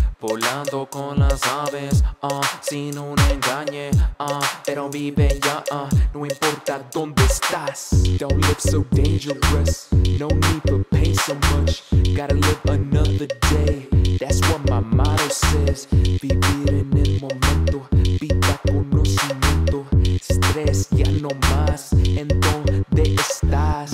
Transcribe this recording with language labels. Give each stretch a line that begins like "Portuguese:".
Spanish: Volando con las aves, sin un engañe, pero vive ya, no importa dónde estás.
English: Don't live so dangerous, no need to pay so much. Gotta live another day, that's what my motto says.
Spanish: Vivir en el momento, vida conocimiento. Stress ya no más, ¿en dónde estás?